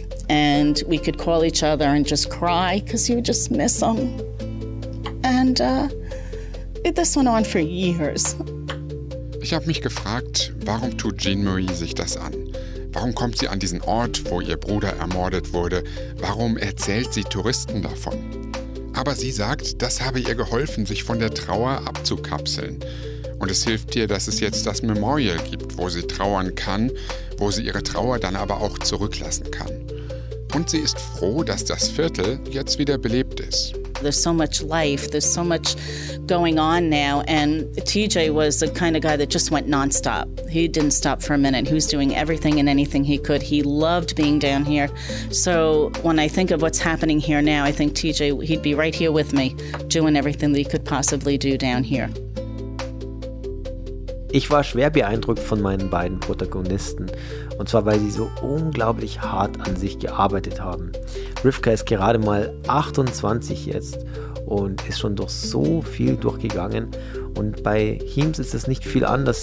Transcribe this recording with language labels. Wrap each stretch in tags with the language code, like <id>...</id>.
<en>And we could call each other and just cry because you would just miss them. And this went on for years.</en> <de>Ich habe mich gefragt, warum tut Jean Marie sich das an? Warum kommt sie an diesen Ort, wo ihr Bruder ermordet wurde? Warum erzählt sie Touristen davon? Aber sie sagt, das habe ihr geholfen, sich von der Trauer abzukapseln. Und es hilft ihr, dass es jetzt das Memorial gibt, wo sie trauern kann, wo sie ihre Trauer dann aber auch zurücklassen kann. Und sie ist froh, dass das Viertel jetzt wieder belebt ist.</de> <en>There's so much life, there's so much going on now. And TJ was the kind of guy that just went nonstop. He didn't stop for a minute. He was doing everything and anything he could. He loved being down here. So when I think of what's happening here now, I think TJ, he'd be right here with me, doing everything that he could possibly do down here.</en> <de>Ich war schwer beeindruckt von meinen beiden Protagonisten, und zwar weil sie so unglaublich hart an sich gearbeitet haben. Rivka ist gerade mal 28 jetzt und ist schon durch so viel durchgegangen, und bei Hims ist es nicht viel anders.</de>